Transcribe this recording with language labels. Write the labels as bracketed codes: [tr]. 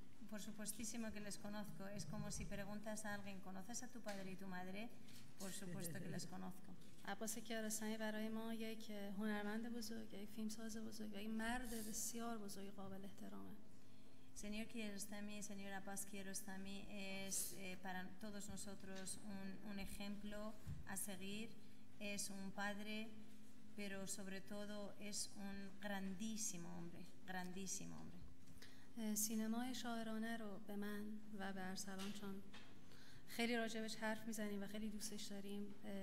[es] Por supuestísimo que les conozco. Es como si preguntas a alguien, ¿conoces a tu padre y tu madre? Por supuesto que les conozco. [fa] عباس کیارستمی برای ما یک هنرمند بزرگ، یک فیلمساز بزرگ و یک مرد بسیار بزرگ قابل احترامه. [es] Señor Kiarostami, señora Paz Kiarostami, es para todos nosotros un ejemplo a seguir, es un padre, pero sobre todo es un grandísimo hombre, grandísimo hombre. [fa] سینمای شاعرانه رو به من و به ارسلان چون خیلی راجبش حرف میزنیم و خیلی دوستش داریم